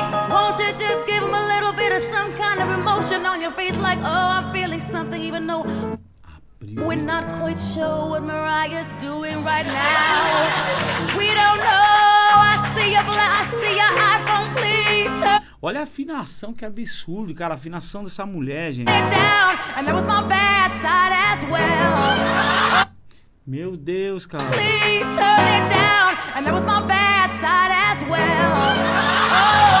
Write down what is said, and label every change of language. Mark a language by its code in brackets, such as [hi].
[en] Won't you just give him a little bit of some kind of emotion on your face, like, oh, I'm feeling something, even though we're not quite sure what Mariah's doing right now. We don't know. I see your blast, see your iPhone, please. [pt] Olha a afinação, que absurdo, cara. A afinação dessa mulher, gente. [en] Down, and that was my bad side as well. [pt] Meu Deus, cara. [en] Please turn it down, and that was my bad side as well.